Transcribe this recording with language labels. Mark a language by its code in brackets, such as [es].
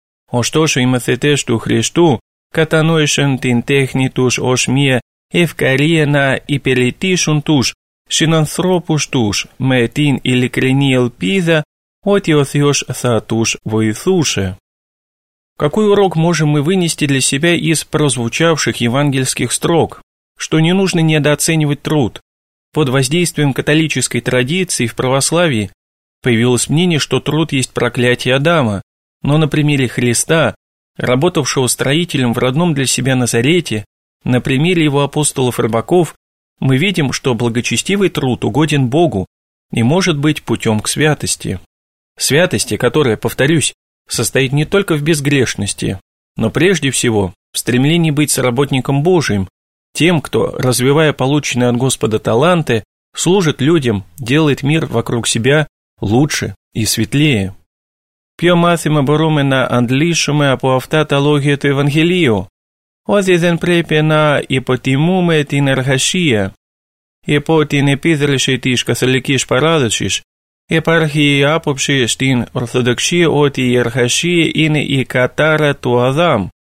[el] Ωστόσο, οι μαθητές του Χριστού κατανόησαν την τέχνη τους ως μια ευκαιρία να υπηρετήσουν τους συνανθρώπους τους με την ειλικρινή ελπίδα ότι ο Θεός θα τους βοηθούσε. [ru] Какой урок можем мы вынести для себя из прозвучавших евангельских строк? Что не нужно недооценивать труд. Под воздействием католической традиции в православии появилось мнение, что труд есть проклятие Адама. Но на примере Христа, работавшего строителем в родном для себя Назарете, на примере его апостолов-рыбаков, мы видим, что благочестивый труд угоден Богу и может быть путем к святости. Святости, которая, повторюсь, состоит не только в безгрешности, но прежде всего в стремлении быть соработником Божиим, тем, кто, развивая полученные от Господа таланты, служит людям, делает мир вокруг себя лучше и светлее. [el] Πιο μάθημα μπορούμε να αντλήσουμε από αυτά τα λόγια του Ευαγγελίου. Ότι δεν πρέπει να υποτιμούμε την εργασία. Υπό την επίδραση της καθολικής παράδοσης, υπάρχει η άποψη στην Ορθοδοξία ότι η εργασία είναι η κατάρα του Αδάμ.